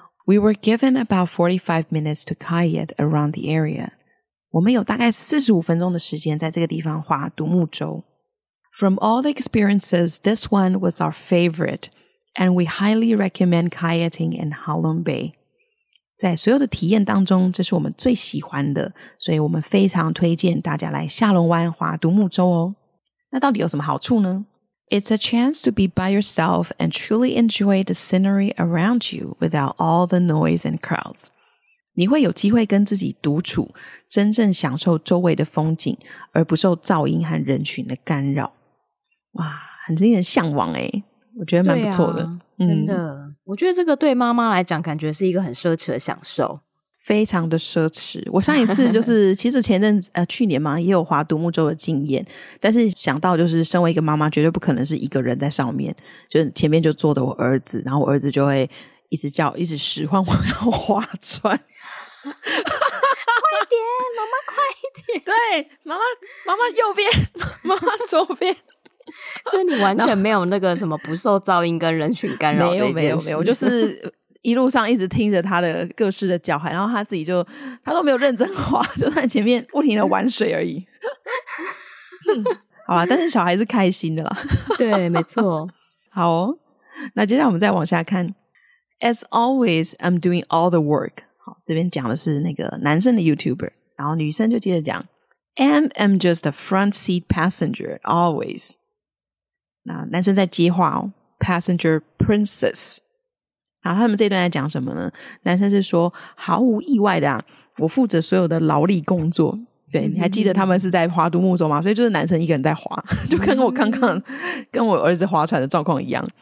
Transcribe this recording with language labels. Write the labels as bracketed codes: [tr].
[en] We were given about 45 minutes to kayak around the area. [zh] 我们有大概45分钟的时间在这个地方划独木舟。 [en] From all the experiences, this one was our favorite, and we highly recommend kayaking in Halong Bay. [zh] 在所有的体验当中，这是我们最喜欢的，所以我们非常推荐大家来下龙湾划独木舟哦。那到底有什么好处呢？ [en] It's a chance to be by yourself and truly enjoy the scenery around you without all the noise and crowds. [zh] 你会有机会跟自己独处，真正享受周围的风景，而不受噪音和人群的干扰。哇，很令人向往耶，我觉得蛮不错的。对啊，真的，我觉得这个对妈妈来讲感觉是一个很奢侈的享受。非常的奢侈。我上一次就是其实前阵子去年嘛也有划独木舟的经验，但是想到就是身为一个妈妈绝对不可能是一个人在上面，就是前面就坐着我儿子，然后我儿子就会一直叫一直使唤我要划船。快点妈妈快一点。对，妈妈妈妈右边，妈妈左边。所以你完全没有那个什么不受噪音跟人群干扰的一件事。没有，我就是一路上一直听着他的各式的叫喊，然后他自己就他都没有认真划，就在前面不停的玩水而已。好啦，但是小孩是开心的啦。对，没错。好、哦、那接下来我们再往下看。 [en] As always, I'm doing all the work. [zh] 好，这边讲的是那个男生的 YouTuber， 然后女生就接着讲。 [en] And I'm just a front seat passenger always. [zh] 那男生在接话哦， [en] Passenger princess。 [zh] 然后他们这段在讲什么呢？男生是说毫无意外的啊，我负责所有的劳力工作。对，你还记得他们是在划独木舟吗？所以就是男生一个人在划，就跟我刚刚跟我儿子划船的状况一样。